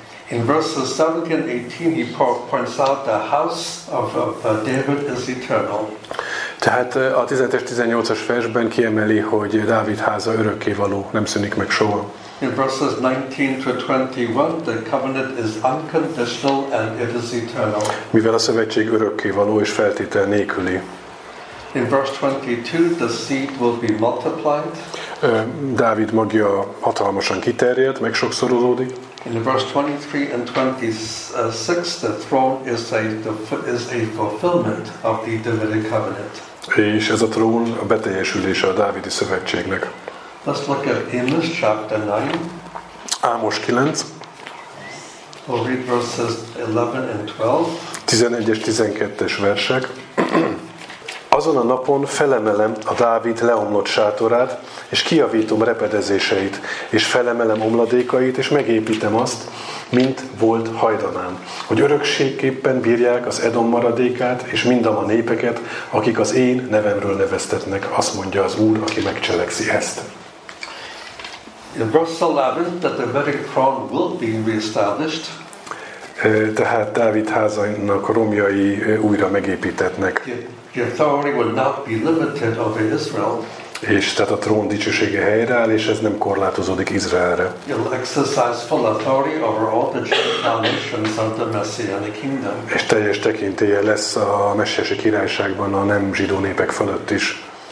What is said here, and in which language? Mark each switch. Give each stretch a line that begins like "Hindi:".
English: In verses 17 and 18 he points out the house of David is eternal.
Hungarian: Tehát a 17-es, 18-as versben kiemeli, hogy Dávid háza örökkévaló, nem szűnik meg soha.
English: In verses 19-21, the covenant is unconditional and it is eternal.
Hungarian: Mivel a szövetség örökkévaló és feltétel nélküli.
English: In verse 22, the seed will be multiplied.
Hungarian: Dávid magja hatalmasan kiterjed, megsokszorozódik.
English: In verse 23 and 26, the throne is a fulfillment of the Davidic covenant.
Hungarian: És ez a trón a beteljesülése a dávidi szövetségnek.
English: Let's look at Amos chapter 9.
Hungarian: Ámos 9.
English: We'll read verses 11 and 12.
Hungarian: 11-es, 12-es versek. Azon a napon felemelem a Dávid leomlott sátorát, és kijavítom repedezéseit, és felemelem omladékait, és megépítem azt, mint volt hajdanán, hogy örökségképpen bírják az Edom maradékát, és mindam a népeket, akik az én nevemről neveztetnek, azt mondja az Úr, aki megcselekszi ezt.
English: In verse 11, that the Davidic crown will be reestablished.
Hungarian: Tehát Dávid házainak romjai újra megépítetnek.
English: The authority will not be limited over Israel.
Hungarian: És tehát a trón dicsősége helyreáll, és ez nem korlátozódik Izraelre.
English: You'll exercise full authority over all the Gentile nations of the Messianic kingdom.
Hungarian: És teljes tekintélye lesz a messiási királyságban a nem zsidó népek fölött is.